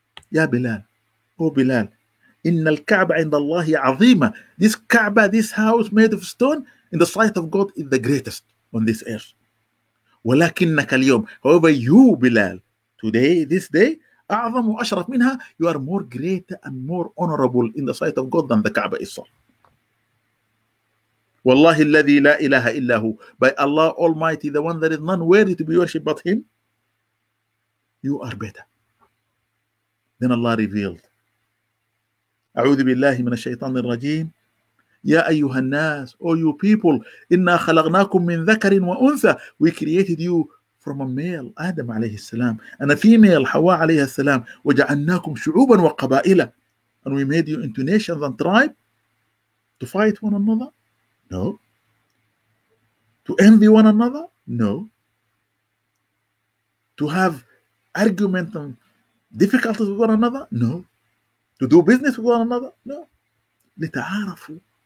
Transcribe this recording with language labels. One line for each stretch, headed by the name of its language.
Arabic: Ya Bilal,
English: O Bilal,
Arabic: إن الكعبة عند الله عظيمة.
English: This Kaaba, this house made of stone, in the sight of God is the greatest on this earth.
Arabic: ولكنك اليوم,
English: however, you Bilal, today, this day,
Arabic: أعظم وأشرف منها.
English: You are more greater and more honorable in the sight of God than the Kaaba itself.
Arabic: والله الذي لا إله إلا هو,
English: by Allah Almighty, the one that is none worthy to be worshipped but Him, you are better. Then Allah revealed.
Arabic: أعوذ بالله من الشيطان الرجيم. يا أيها الناس,
English: all you people,
Arabic: إنا خلقناكم من ذكر وأنثى.
English: We created you from a male, Adam عليه السلام, and a female, حواء عليه السلام.
Arabic: وجعلناكم شعوبا وقبائلا.
English: And we made you into nations and tribes to fight one another. No. To envy one another? No. To have argument and difficulties with one another? No. To do business with one another? No.
Arabic: لتعارفوا.